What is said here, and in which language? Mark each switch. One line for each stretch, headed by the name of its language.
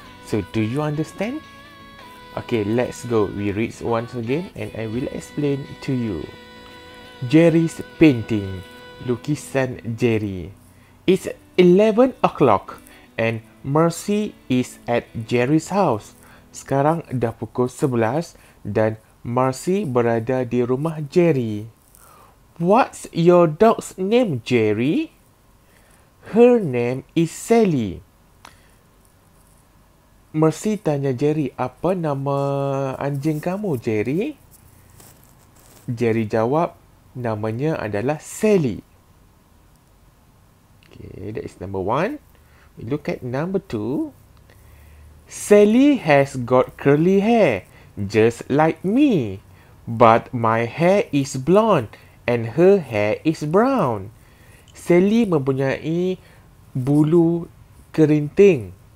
English: So, do you understand? Okay, let's go. We read once again and I will explain to you. Jerry's painting,
Malay: lukisan Jerry.
English: It's 11 o'clock and Mercy is at Jerry's house.
Malay: Sekarang dah pukul 11 dan Marcy berada di rumah Jerry.
English: What's your dog's name, Jerry? Her name is Sally.
Malay: Marcy tanya Jerry, apa nama anjing kamu, Jerry? Jerry jawab, namanya adalah Sally.
English: Okay, that is number one. We look at number two. Sally has got curly hair. Just like me, but my hair is blonde and her hair is brown.
Malay: Sally mempunyai bulu kerinting.